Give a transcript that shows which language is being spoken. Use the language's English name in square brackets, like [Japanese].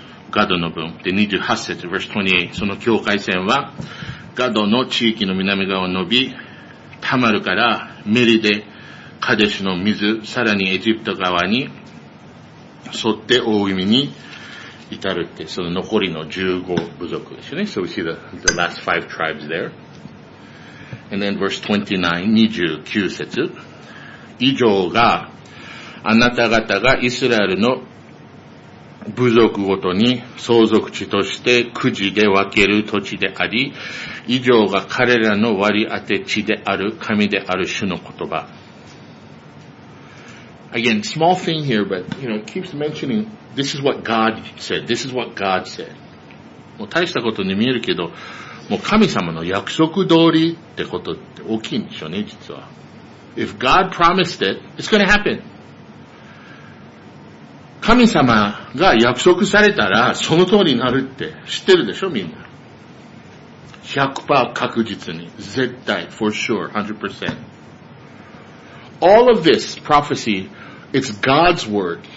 [Japanese] ガドの分で、28節 [English] verse 28、 [Japanese] その境界線はガドの地域の南側を伸び、タマルからメリデカデシの水、さらにエジプト側に沿って大海に至るって、その残りの15部族ですね。 [English] So we see the last five tribes there. And then verse 29, 29節。 [Japanese] 以上があなた方がイスラエルの部族ごとに相続地としてくじで分ける土地であり、以上が彼らの割り当て地である神である主の言葉。 [English] Again, small thing here, but, you know, keeps mentioning, this is what God said. [Japanese] もう大したことに見えるけど、もう神様の約束通りってことって大きいんでしょうね、実は。 [English] If God promised it, it's going to happen. [Japanese] 神様が約束されたらその通りになるって知ってるでしょ、みんな。 100% 確実に。絶対。 [English] For sure. [Japanese] 100%. [English] All of this prophecy, it's God's word.